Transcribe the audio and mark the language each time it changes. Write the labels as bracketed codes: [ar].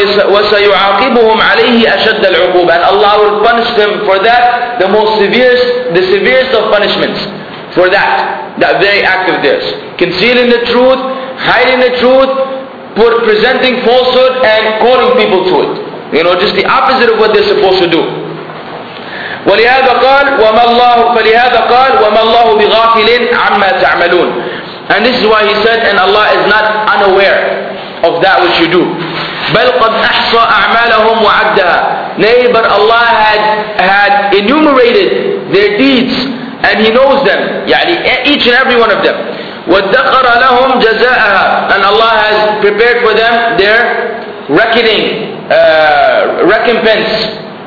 [ar] وسيعاقبهم عليه أشد العقوب, [en] and Allah will punish them for that, the most severe, the severest of punishments for that very act of theirs, concealing the truth, hiding the truth, presenting falsehood and calling people to it, you know, just the opposite of what they're supposed to do. [ar] ولهذا قال وما الله فلهذا قال وما الله بغافل عما تعملون. [en] And this is why he said, and Allah is not unaware of that which you do. [ar] بل قد أحصى أعمالهم وعدها. [en] Nay, but Allah had enumerated their deeds and he knows them, يعني each and every one of them. [ar] وادخر لهم جزاءها, [en] and Allah has prepared for them their reckoning, recompense.